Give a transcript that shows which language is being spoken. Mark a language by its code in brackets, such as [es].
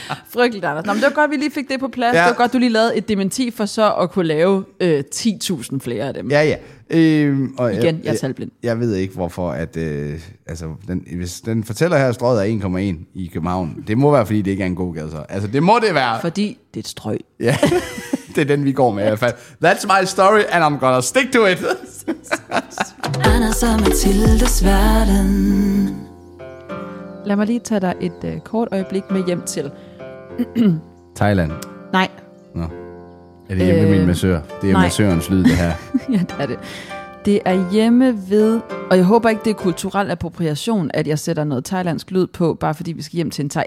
[da] Frygteligt, Anders. Nå, men det var godt, vi lige fik det på plads. Ja. Det var godt, du lige lavede et dementi for så at kunne lave 10.000 flere af dem. Ja, ja. Og igen, jeg er talblind. Jeg ved ikke, hvorfor at... altså, den, hvis den fortæller her, at strøget er 1,1 i København, det må være, fordi det ikke er en god gade. Så. Altså, det må det være. Fordi det er et strøg. Ja, det er den, vi går med i hvert fald. [en] That's my story, and I'm gonna stick to it. [da] Anders og Mathildes verden. Lad mig lige tage dig et kort øjeblik med hjem til... Thailand? Nej. Nå. Er det hjemme ved min massør? Det er massørens lyd, det her. Ja, det er det. Det er hjemme ved... Og jeg håber ikke, det er kulturel appropriation, at jeg sætter noget thailandsk lyd på, bare fordi vi skal hjem til en thai.